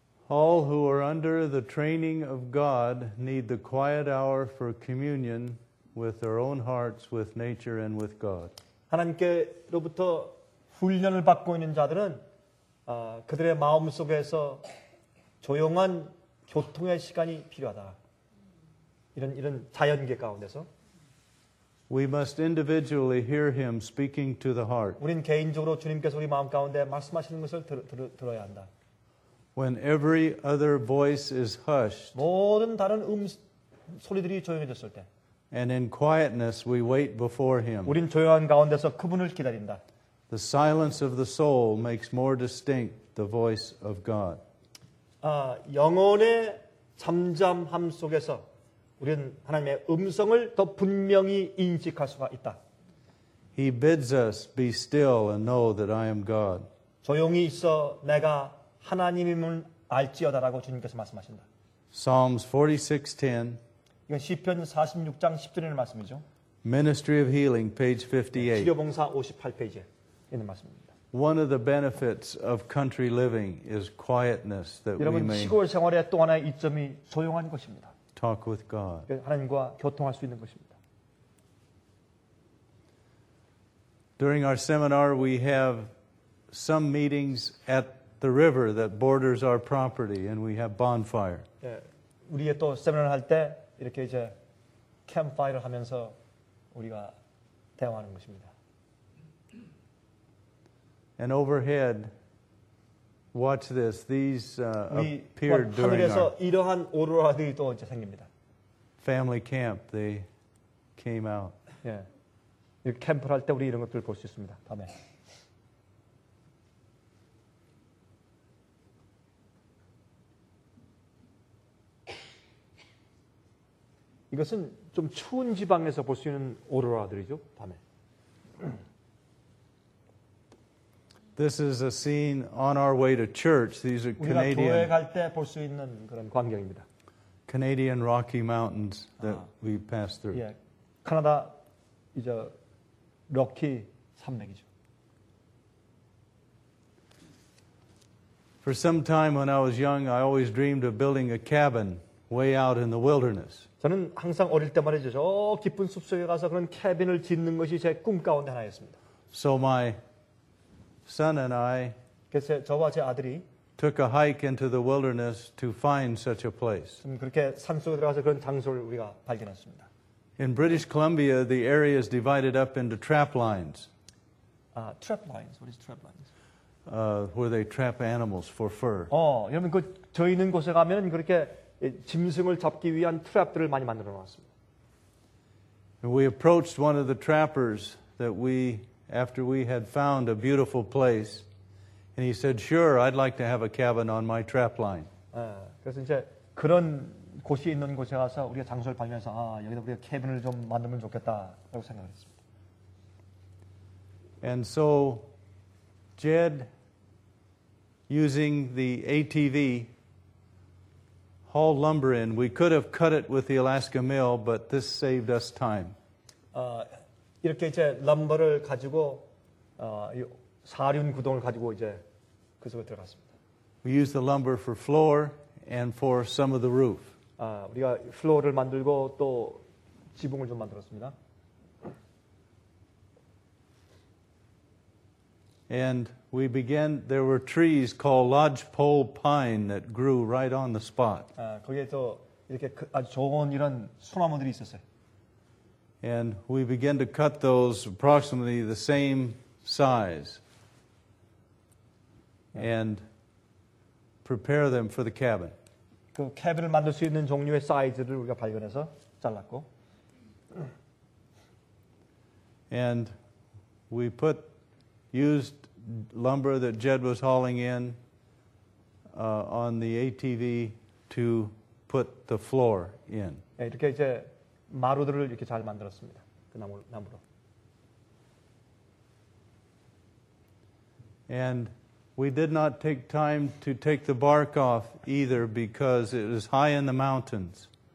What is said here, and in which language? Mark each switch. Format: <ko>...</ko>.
<en>All who are under the training of God need the quiet hour for communion with their own hearts, with nature and with God.</en> <ko>하나님께로부터 훈련을 받고 있는 자들은 그들의 마음 속에서 조용한 교통의 시간이 필요하다. 이런 자연계 가운데서.</ko> <en>We must individually hear Him speaking to the heart.</en> <ko>우리는 개인적으로 주님께서 우리 마음 가운데 말씀하시는 것을 들어야 한다.</ko> <en>When every other voice is hushed,</en> <ko>모든 다른 소리들이 조용해졌을 때,</ko> <en>and in quietness we wait before Him.</en> <ko>우린 조용한 가운데서 그분을 기다린다.</ko> <en>The silence of the soul makes more distinct the voice of God.</en> <ko>영혼의 잠잠함 속에서 우리는 하나님의 음성을 더 분명히 인식할 수가 있다.</ko> <en>He bids us be still and know that I am God.</en> <ko>조용히 있어 내가 하나님임을 알지어다라고 주님께서 말씀하신다.</ko> <en>Psalms 46:10.</en> <ko>이건 시편 46장 10절의 말씀이죠.</ko> <en>Ministry of Healing, page 58.</en> <ko>치료봉사 58페이지에.</ko> <en>One of the benefits of country living is quietness that we may</en> <ko>여러분 시골 생활의 또 하나의 이점이 조용한 것입니다.</ko> <en>Talk with God.</en> <ko>하나님과 교통할 수 있는 것입니다.</ko> <en>During our seminar, we have some meetings at the river that borders our property, and we have bonfire.</en> <ko>우리의 또 세미나를 할 때 이렇게 이제 캠파이어를 하면서 우리가 대화하는 것입니다.</ko> <en>And overhead, watch this. These appeared during our</en> <ko>이러한 오로라들이 또 이제 생깁니다.</ko> <en>Family camp, they came out.</en> <ko>예, 이렇게 캠프를 할 때 우리 이런 것들을 볼 수 있습니다. 밤에. (웃음) 이것은 좀 추운 지방에서 볼 수 있는 오로라들이죠. 밤에.</ko> <en>This is a scene on our way to church. These are Canadian.</en> <ko>우리가 교회 갈 때 볼 수 있는 그런 광경입니다.</ko> <en>Canadian Rocky Mountains that we passed through.</en> <ko>예, 캐나다 이제 로키 산맥이죠.</ko> <en>For some time when I was young, I always dreamed of building a cabin way out in the wilderness.</en> <ko>저는 항상 어릴 때 말이죠, 저 깊은 숲속에 가서 그런 캐빈을 짓는 것이 제 꿈 가운데 하나였습니다.</ko> <en>So my son and I</en> <ko>그래서 저와 제 아들이</ko> <en>took a hike into the wilderness to find such a place.</en> <ko>그렇게 산속에 들어가서 그런 장소를 우리가 발견했습니다.</ko> <en>In British Columbia, the area is divided up into trap lines. Trap lines. What is trap lines? Where they trap animals for fur.</en> <ko>여러분 그 저 있는 곳에 가면 그렇게 짐승을 잡기 위한 트랩들을 많이 만들어 놨습니다.</ko> <en>And we approached one of the trappers that we after we had found a beautiful place, and he said, sure, I'd like to have a cabin on my trap line.</en> <ko>그래서 이제 그런 곳이 있는 곳에 가서 우리가 장소를 발견해서 여기다 우리가 캐빈을 좀 만들면 좋겠다라고 생각했습니다.</ko> <en>And so Jed using the ATV hauled lumber in. We could have cut it with the Alaska mill, but this saved us time.</en> <ko>이렇게 이제 럼버를 가지고 이 사륜 구동을 가지고 이제 그 속에 들어갔습니다.</ko> <en>We used the lumber for floor and for some of the roof.</en> <ko>우리가 플로어를 만들고 또 지붕을 좀 만들었습니다.</ko> <en>And we began. There were trees called lodgepole pine that grew right on the spot.</en> <ko>거기에 또 이렇게 아주 좋은 이런 소나무들이 있었어요.</ko> <en>And we began to cut those approximately the same size and prepare them for the cabin.</en> <ko>그 캐빈을 만들 수 있는 종류의 사이즈를 우리가 발견해서 잘랐고.</ko> <en>And we used lumber that Jed was hauling in on the ATV to put the floor in.</en> <ko>이렇게 이제 마루들을 이렇게 잘 만들었습니다. 그 나무로.</ko> <en>And we did not take time to take the bark off either because it was high in the mountains.</en>